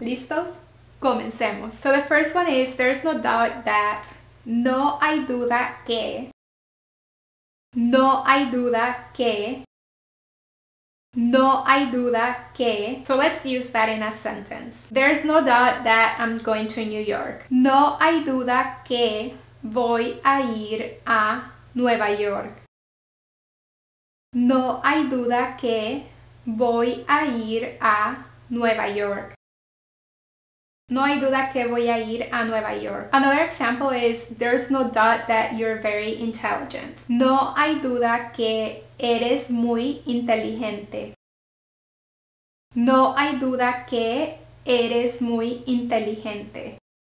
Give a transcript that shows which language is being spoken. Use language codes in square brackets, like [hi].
[es] ¿Listos? Comencemos. [en] So the first one is, there's no doubt that, [es] no hay duda que, no hay duda que, no hay duda que. [en] So let's use that in a sentence. There's no doubt that I'm going to New York. [es] No hay duda que voy a ir a Nueva York. No hay duda que voy a ir a Nueva York. No hay duda que voy a ir a Nueva York. [en] Another example is, there's no doubt that you're very intelligent. [es] No hay duda que eres muy inteligente. No hay duda que eres muy inteligente.